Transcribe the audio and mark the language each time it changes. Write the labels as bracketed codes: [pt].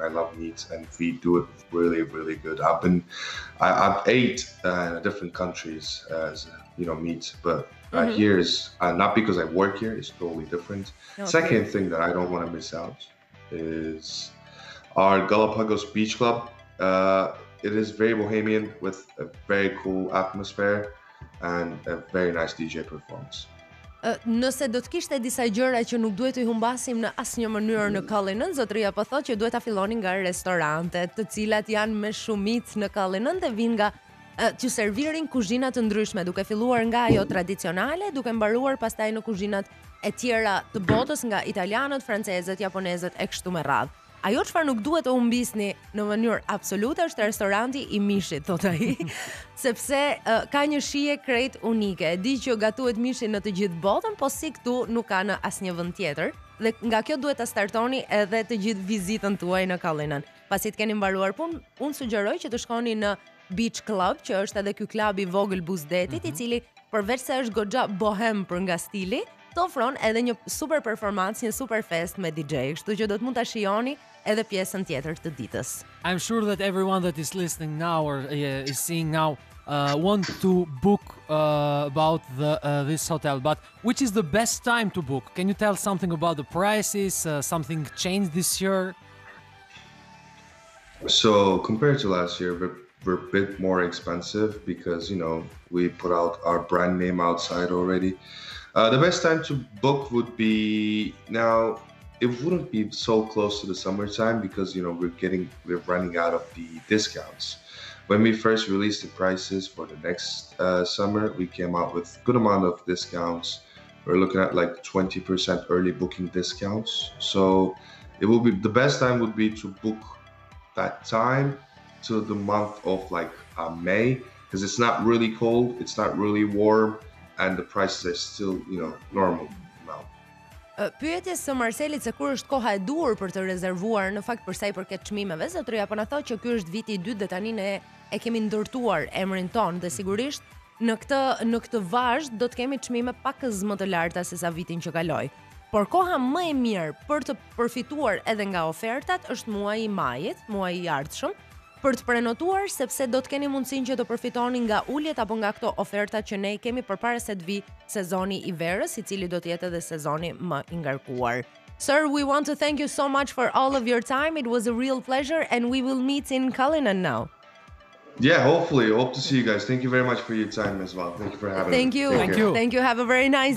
[en] I love meat and we do it really, really good. I've ate in different countries as, you know, meat, but here is not because I work here, it's totally different. Okay. Second thing that I don't want to miss out is our Galapagos Beach Club. It is very bohemian with a very cool atmosphere and a very nice DJ performance. [sq] Nëse do të kishte disa gjëra që nuk duhet të humbasim në asnjë mënyrë në Cullinan, zotria po thotë që duhet ta filloni nga restorantet, të cilat janë me shumicë në Cullinan dhe vijnë nga që servirin kuzhina të ndryshme, duke filluar nga ajo tradicionale, duke mbaruar pastaj në kuzhinat e tjera të botës nga italianët, francezët, japonezët e kështu me radhë. Ajo çfarë nuk duhet të humbisni në mënyrë absolute është restoranti i mishit, thot ai, sepse ka një shije krejt unike. E di që gatuhet mishi në të gjithë botën, po si këtu nuk ka në asnjë vend tjetër. Dhe nga kjo duhet ta startoni edhe të gjithë vizitën tuaj në Cullinan. Pasi të keni mbaruar punë, unë sugjeroj që të shkoni në Beach Club, që është edhe ky klub i vogël buzdetit, i cili përveç se është goxha bohem për nga stili, të ofron edhe një super performancë, një super fest me DJ, kështu që do të mund ta shijoni edhe pjesën tjetër të ditës. [en] I'm sure that everyone that is listening now or is seeing now want to book about the this hotel, but which is the best time to book? Can you tell something about the prices? Something changed this year? So compared to last year, we're a bit more expensive because, you know, we put out our brand name outside already. The best time to book would be now. It wouldn't be so close to the summertime because, you know, we're running out of the discounts. When we first released the prices for the next summer, we came out with good amount of discounts. We're looking at like 20% early booking discounts. So it will be the best time would be to book that time to the month of like May, because it's not really cold, it's not really warm, and the prices are still, you know, normal now. [sq] Pyetjes së Marselit se kur është koha e duhur për të rezervuar, në fakt përsa i përket çmimeve, zotria po na thotë që ky është viti i dytë dhe tani ne e kemi ndërtuar emrin ton dhe sigurisht në këtë vazh do të kemi çmime pak më të larta se sa vitin që kaloi. Por koha më e mirë për të përfituar edhe nga ofertat është muaji i majit, muaji i ardhshëm, për të prenotuar sepse do të keni mundësinë që të përfitoni nga uljet apo nga këto oferta që ne kemi përpara se të vi sezoni i verës, i cili do të jetë edhe sezoni më i ngarkuar. [en] Sir, we want to thank you so much for all of your time. It was a real pleasure and we will meet in Cullinan now. Yeah, hopefully. Hope to see you guys. Thank you very much for your time as well. Thank you for having me. Thank you. Thank you. Have a very nice